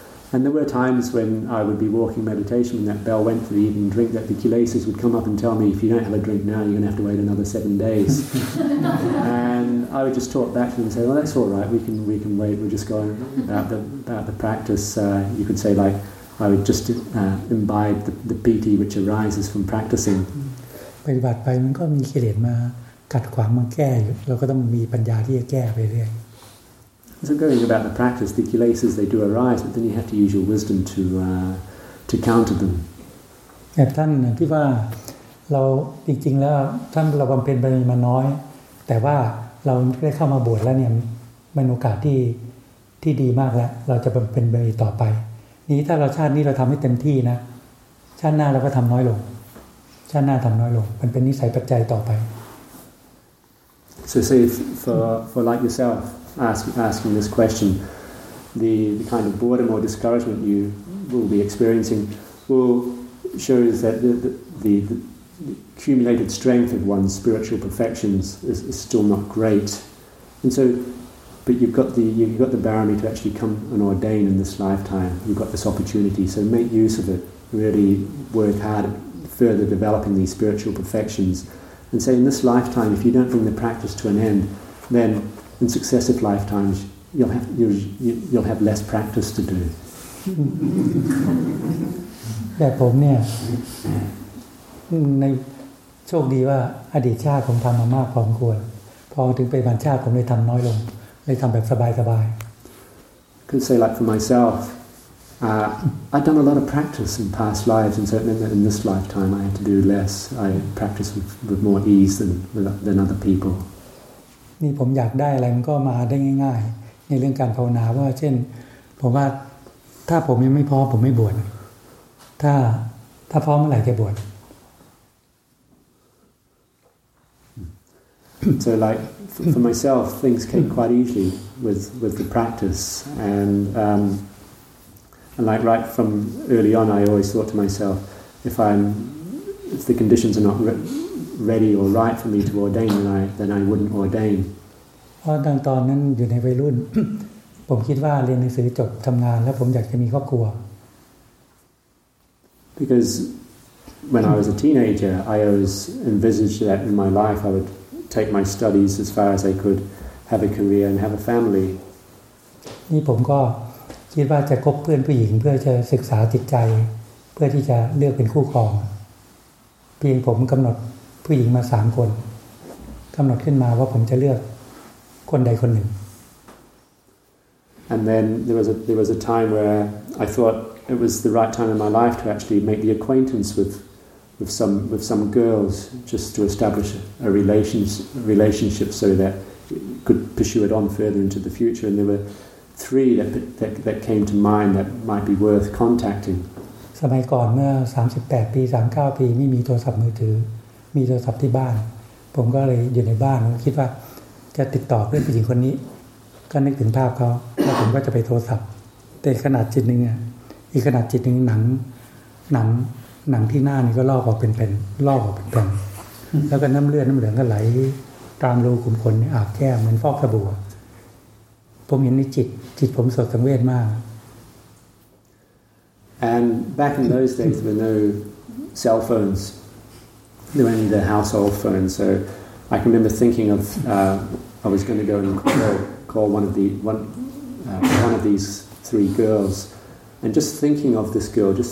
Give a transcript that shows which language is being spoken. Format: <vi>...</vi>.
<en>And there were times when I would be walking meditation when that bell went for the evening drink that the kilesas would come up and tell me if you don't have a drink now you're going to have to wait another 7 days and I would just talk back to them and say well that's all right we can wait we're just going about the practice you could say like I would just imbibe the piti which arises from practicing</en> <th>ปฏิบัติไปมันก็มีกิเลสมากัดขวางมันแก้อยู่เราก็ต้องมีปัญญาที่จะแก้ไปเรื่อย</th> <en>So going about the practice, the kilesas they do arise, but then you have to use your wisdom to counter them.</en> <th>แต่ท่านคิดว่าเราจริงๆแล้วท่านเราบำเพ็ญบารมีมาน้อยแต่ว่าเราได้เข้ามาบวชแล้วเนี่ยมันโอกาสที่ดีมากแล้วเราจะบำเพ็ญบารมีต่อไปนี้ถ้าเราชาตินี้เราทำให้เต็มที่นะชาติหน้าเราก็ทำน้อยลงชาติหน้าทำน้อยลงมันเป็นนิสัยปัจจัยต่อไป</th> <en>So say for like yourself, asking this question, the kind of boredom or discouragement you will be experiencing will show that the accumulated strength of one's spiritual perfections is still not great. And so, but you've got the barami to actually come and ordain in this lifetime. You've got this opportunity, so make use of it. Really work hard at further developing these spiritual perfections. And say in this lifetime, if you don't bring the practice to an end, then in successive lifetimes you'll have less practice to do.</en> <th>แต่ผมเนี่ย ในโชคดีว่าอดีตชาติผมทำมามากพอสมควรพอถึงปัจจุบันชาติผมเลยทำน้อยลงเลยทำแบบสบาย</th> <en>ๆ Can say like for myself I've done a lot of practice in past lives and so it meant that in this lifetime I had to do less I practice with more ease than other people</en> <th>นี่ผมอยากได้อะไรมันก็มาได้ง่ายๆในเรื่องการภาวนาว่าเช่นผมว่าถ้าผมยังไม่พร้อมผมไม่บวชถ้าพร้อมเมื่อไหร่จะบวช</th> <en>So like for myself things came quite easily with the practice and like right from early on I always thought to myself if the conditions are not ready or right for me to ordain then I wouldn't ordain</en> <th>เพราะตอนนั้นอยู่ในวัยรุ่นผมคิดว่าเรียนหนังสือจบทำงานแล้วผมอยากจะมีครอบครัว</th> <en>Because when I was a teenager I always envisaged that in my life I would take my studies as far as I could have a career and have a family</en> <th>นี่ผมก็คิดว่าจะคบเพื่อนผู้หญิงเพื่อจะศึกษาจิตใจเพื่อที่จะเลือกเป็นคู่ครองเพียงผมกำหนดผู้หญิงมา3คนกำหนดขึ้นมาว่าผมจะเลือกคนใดคนหนึ่ง</th> <en>And then there was a time where I thought it was the right time in my life to actually make the acquaintance with some girls just to establish a relationship so that it could pursue it on further into the future. And there were three that came to mind that might be worth contacting.</en> <th>สมัยก่อนเมื่อ38ปี39ปีไม่มีโทรศัพท์มือถือมีโทรศัพท์ที่บ้านผมก็เลยอยู่ในบ้านคิดว่าจะติดต่อเพื่อนผู้หญิงคนนี้ก็นึกถึงภาพเขาแล้วผมก็จะไปโทรศัพท์แต่ขนาดจิตนึงอ่ะอีกขนาดจิตนึงหนังที่หน้านี่ก็ลอกออกเป็นแผ่นลอกออกเป็นแผ่นแล้วก็น้ำเลือดน้ำเหลืองก็ไหลตามรูขุมขนนี่อาบแก้มเหมือนฟอกสบู่ผมเห็นในจิตผมสดสังเวชมาก</th> <en>and back in those days there were no cell phones there were only the household phones so I can remember thinking of I was going to go and call one of these three girls and just thinking of this girl</en>